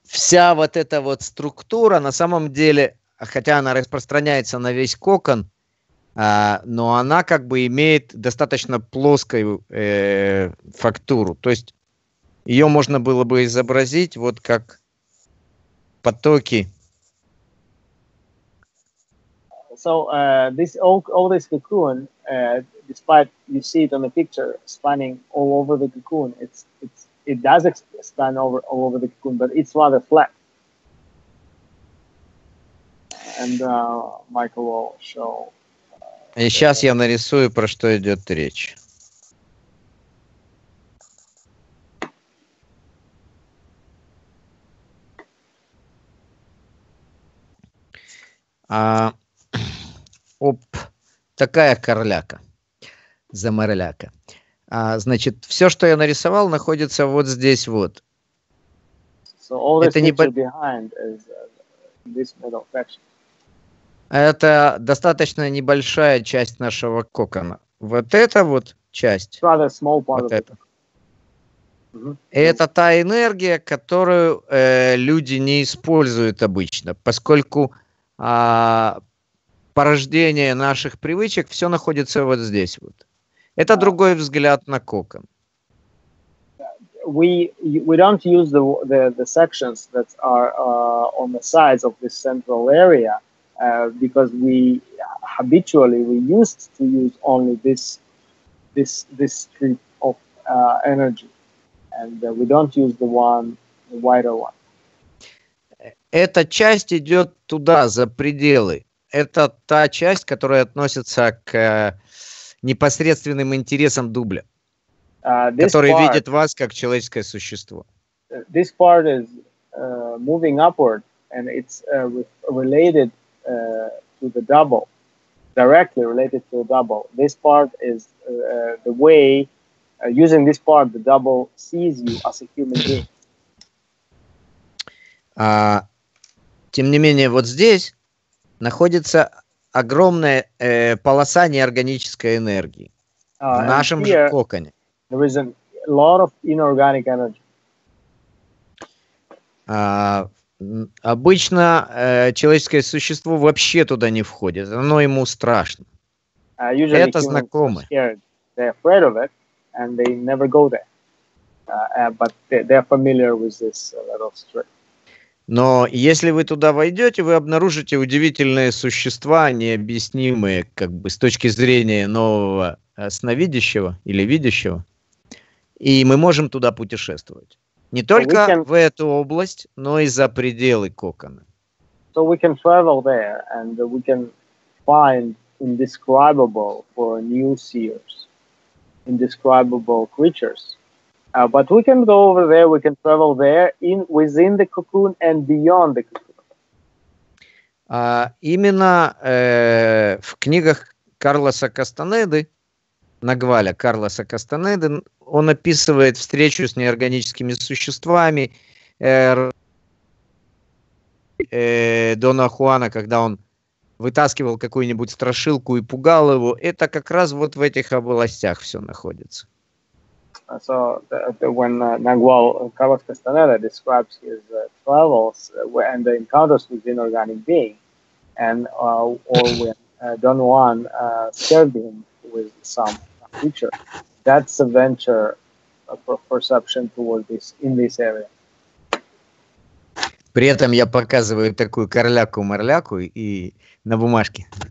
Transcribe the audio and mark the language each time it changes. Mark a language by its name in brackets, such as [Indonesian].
[Russian] Вся вот эта вот структура, на самом деле, хотя она распространяется на весь кокон, но она как бы имеет достаточно плоскую фактуру. То есть ее можно было бы изобразить вот как потоки. [English] So this all this cocoon, despite you see it on the picture spanning all over the cocoon, it does span all over the cocoon, but it's rather flat. And Michael will show. [Russian] И сейчас я нарисую, про что идет речь. Оп, такая корляка, замарляка. Значит, все, что я нарисовал, находится вот здесь вот. [English] So all this behind is this middle section. [Russian] Это достаточно небольшая часть нашего кокона. Вот эта вот часть. [English] Rather small part [Russian] вот [English] of [Russian] это. Это та энергия, которую люди не используют обычно, поскольку порождение наших привычек все находится вот здесь вот. Это другой взгляд на кокон. [English] We don't use the sections that are on the sides of this central area because we habitually we used to use only this strip of energy. And we don't use the one, the wider one. [Russian] Эта часть идет туда, за пределы. Это та часть, которая относится к непосредственным интересам дубля, который [English] part, [Russian] видит вас как человеческое существо. [English] This part is moving upward, and it's related to the double, directly related to the double. This part is the way, using this part, the double sees you as a human being. [Russian] Тем не менее, вот здесь находится огромная полоса неорганической энергии в нашем же коконе. [English] There is a lot of inorganic energy. [Russian] Обычно человеческое существо вообще туда не входит, оно ему страшно. Это знакомо. [English] They're afraid of it, and they never go there. But they're familiar with this little strip. [Russian] Но если вы туда войдете, вы обнаружите удивительные существа, необъяснимые как бы с точки зрения нового сновидящего или видящего. И мы можем туда путешествовать. Не только в эту область, но и за пределы кокона. [English] So we can travel there and we can find indescribable for new seers, indescribable creatures. But we can go over there, we can travel there in within the cocoon and beyond the cocoon. [Russian] Именно в книгах Карлоса Кастанеды, Нагваля Карлоса Кастанеды, он описывает встречу с неорганическими существами Дона Хуана, когда он вытаскивал какую-нибудь страшилку и пугал его. Это как раз вот в этих областях все находится. [English] So when Nagual Carlos Castaneda describes his travels and the encounters with inorganic being, and or when Don Juan served him with some creature, that's a venture for perception toward this in this area. [Russian] При этом я показываю такую корляку-морляку и на бумажке.